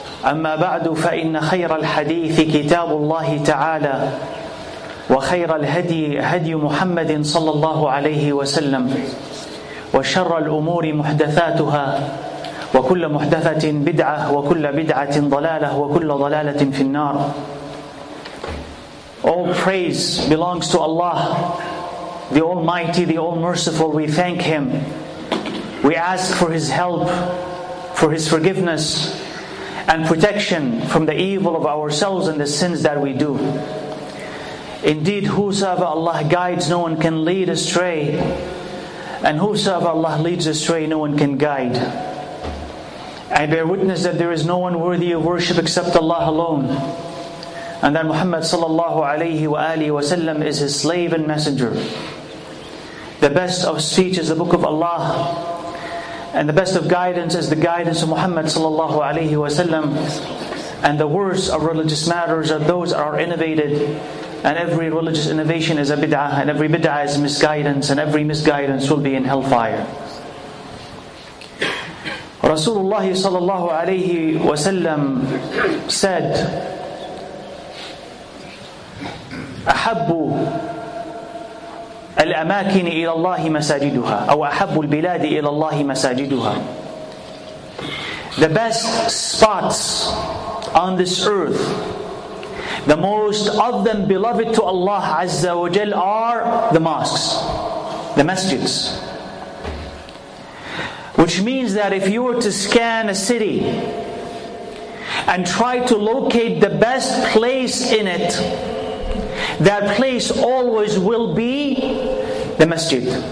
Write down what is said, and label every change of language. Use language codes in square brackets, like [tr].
[en] أما بعد فإن خير الحديث كتاب الله تعالى وخير الهدي هدي محمد صلى الله عليه وسلم وشر الأمور محدثاتها وكل محدثة بدعة وكل بدعة ضلالة وكل ضلالة في النار. All praise belongs to Allah, the Almighty, the All Merciful. We thank Him. We ask for His help, for His forgiveness and protection from the evil of ourselves and the sins that we do. Indeed, whosoever Allah guides, no one can lead astray. And whosoever Allah leads astray, no one can guide. I bear witness that there is no one worthy of worship except Allah alone, and that Muhammad sallallahu alayhi wa alihi wa sallam is His slave and messenger. The best of speech is the book of Allah, and the best of guidance is the guidance of Muhammad sallallahu alayhi wa sallam. And the worst of religious matters are those that are innovated. And every religious innovation is a bid'ah, and every bid'ah is misguidance, and every misguidance will be in hellfire. Rasulullah sallallahu alayhi wa sallam said, [ar] أحب الأماكن إلى الله مساجدها أو أحب البلاد إلى الله مساجدها. [en] The best spots on this earth, the most of them beloved to Allah Azza wa Jal, are the mosques, the masjids. Which means that if you were to scan a city and try to locate the best place in it, that place always will be the masjid.